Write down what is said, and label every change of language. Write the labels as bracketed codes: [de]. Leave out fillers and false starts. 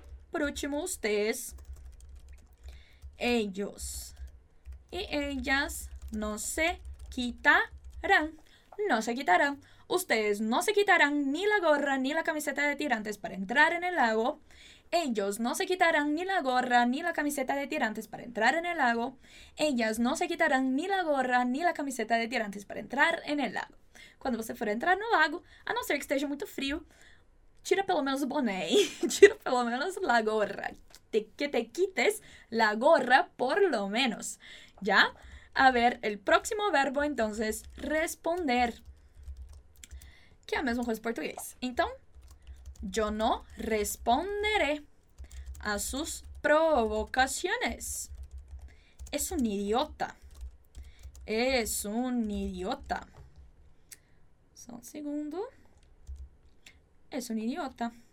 [es] Por último, ustedes. Ellos y ellas no se quitarán. No se quitarán. Ustedes no se quitarán ni la gorra ni la camiseta de tirantes para entrar en el lago. Ellos no se quitarán ni la gorra ni la camiseta de tirantes para entrar en el lago. Ellas no se quitarán ni la gorra ni la camiseta de tirantes para entrar en el lago. [pt] Quando você for entrar no lago, a não ser que esteja muito frio, tira pelo menos o boné, tira pelo menos la gorra. [es] Que te quites la gorra por lo menos, ¿ya? A ver, el próximo verbo entonces, responder. [pt] Que é a mesma coisa em português. [es] Então, yo no responderé a sus provocaciones. Es un idiota. Es un idiota. [pt] Só um segundo. [es] Es un idiota.